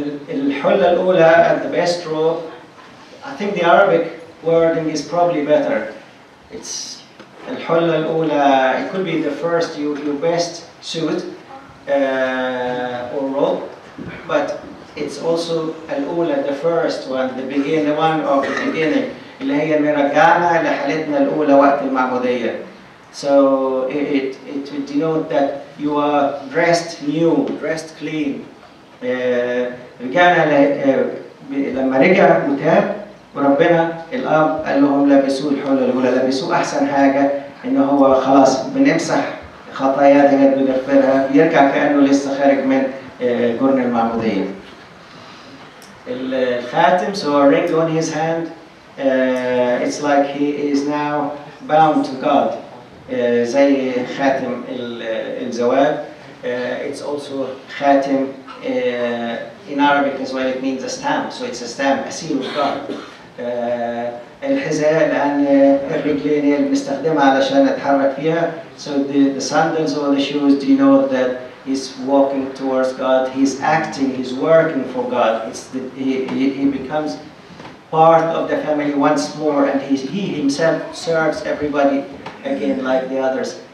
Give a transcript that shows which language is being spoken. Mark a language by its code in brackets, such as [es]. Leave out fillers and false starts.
[en] الحلة الأولى at the best row, I think the Arabic wording is probably better. It's الحلة الأولى, it could be the first your best suit or row, but it's also الأولى, the first one, the beginning, the one of the beginning. [ar] اللي هي مرجعنا لحالتنا الأولى وقت المعمودية. [en] So it would denote that you are dressed new, dressed clean. [ar] رجعنا لما رجع متاب وربنا الأب قال لهم لبسوا الحلة الأولى، لبسوا أحسن حاجة، إن هو خلاص بنمسح خطايانا بنغفرها، يركع كأنه لسه خارج من جرن المعمودية. [en] الخاتم, so a ring on his hand. It's like he is now bound to God. [ar] زي خاتم الزواج [en] It's also khatim in Arabic as well. It means a stamp, so it's a stamp, a seal of God. [ar] الحذاء الآن الرجلين اللي بنستخدمها علشان نتحرك فيها. [en] So the sandals or the shoes denote that he's walking towards God. He's acting. He's working for God. It's the, he becomes part of the family once more, and he himself serves everybody again like the others.